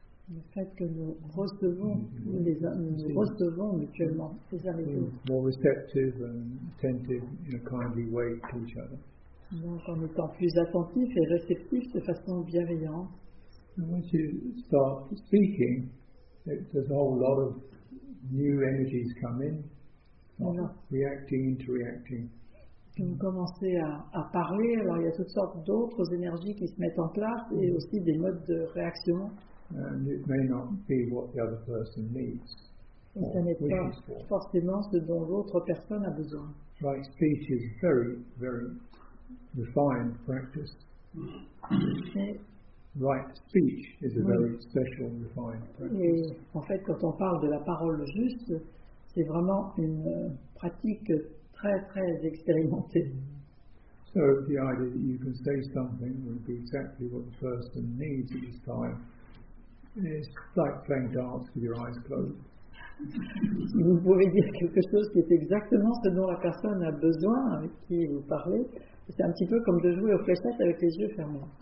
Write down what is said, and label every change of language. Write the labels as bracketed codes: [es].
[fr] Le fait que nous recevons, nous recevons mutuellement, c'est ça les choses. [en] More receptive and attentive in a kindly way to each other. [fr] Donc en étant plus attentif et réceptif de façon bienveillante. [en] And once you start speaking, there's a whole lot of new energies come in. Reacting into reacting. [fr] Quand vous commencez à parler, alors il y a toutes sortes d'autres énergies qui se mettent en place, et aussi des modes de réaction. [en] And it may not be what the other person needs. [fr] Et ça n'est pas forcément ce dont l'autre personne a besoin. [en] Right, speech is very, very refined practice. Right, speech is a very special, refined practice. [fr] Et en fait, quand on parle de la parole juste, c'est vraiment une pratique très très expérimentée. [en] So the idea that you can say something will be exactly what the person needs at this time. It's like playing darts with your eyes closed. [fr] Vous pouvez dire quelque chose qui est exactement ce dont la personne a besoin avec qui vous parlez. C'est un petit peu comme de jouer aux fléchettes avec les yeux fermés.